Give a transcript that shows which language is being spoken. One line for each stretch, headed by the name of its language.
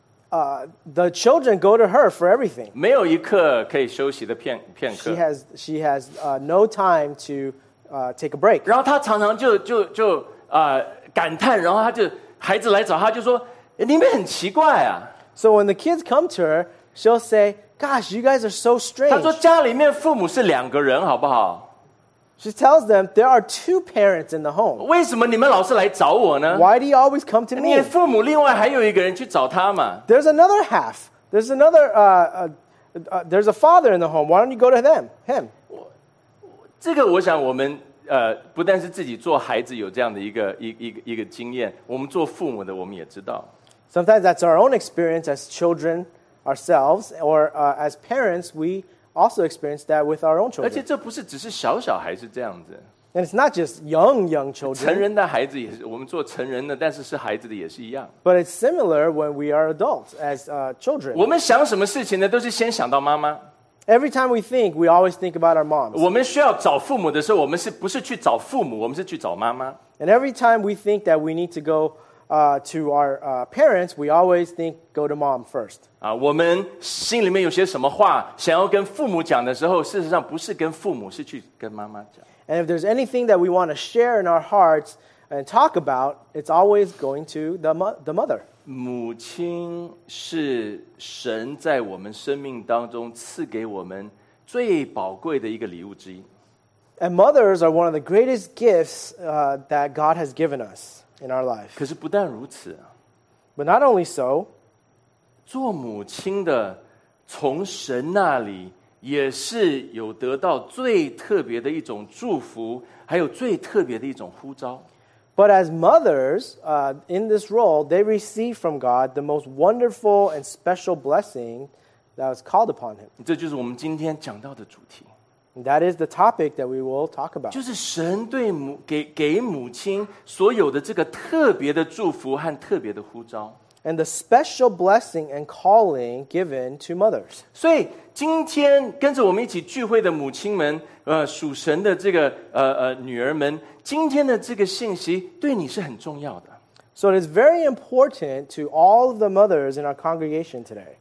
English: The children go to her for everything.
Chinese: 没有一刻可以休息的片刻。
English: She has no time to take a break.
Chinese: 然后她常常就感叹，然后她就孩子来找她就说，你们很奇怪啊。
English: So when the kids come to her, she'll say, gosh, you guys are so strange.
Chinese: 她说家里面父母是两个人好不好？
English: She tells them, there are two parents in the home.
Chinese: 为什么你们老是来找我呢？
English: Why do you always come to me?
Chinese: 你父母另外还有一个人去找他嘛。
English: There's another half. There's another, there's a father in the home. Why don't you go to him?
Chinese: 这个我想我们不但是自己做孩子有这样的一个经验，我们做父母的我们也知道。
English: Sometimes that's our own experience as children ourselves, or as parents, we also experience that with our own children.
Chinese: 而且这不是只是小小孩子这样子。
English: And it's not just young children.
Chinese: 成人的孩子也是，我们做成人的，但是是孩子的也是一样。
English: But it's similar when we are adults as children.
Chinese: 我们想什么事情呢？都是先想到妈妈。
English: Every time we think, we always think about our moms.
Chinese: 我们需要找父母的时候，我们是不是去找父母？我们是去找妈妈。
English: And every time we think that we need to go to our parents, we always think go to mom first.
Chinese: 我们心里面有些什么话想要跟父母讲的时候，事实上不是跟父母，是去跟妈妈讲。
English: And if there's anything that we want to share in our hearts and talk about, it's always going to the mother.
Chinese: 母亲是神在我们生命当中赐给我们最宝贵的一个礼物之一。
English: And mothers are one of the greatest gifts that God has given us in our life.
Chinese: 可是不但如此。
English: But not only so,
Chinese: 做母亲的从神那里也是有得到最特别的一种祝福，还有最特别的一种呼召。
English: But as mothers, in this role, they receive from God the most wonderful and special blessing that was called upon him.
Chinese: 这就是我们今天讲到的主题。
English: That is the topic that we will talk about.
Chinese: 就是神对给母亲所有的这个特别的祝福和特别的呼召。
English: And the special blessing and calling given to mothers.
Chinese: 所以今天跟着我们一起聚会的母亲们，属神的这个女儿们，今天的这个信息对你是很重要的。
English: So it is very important to all of the mothers in our congregation today.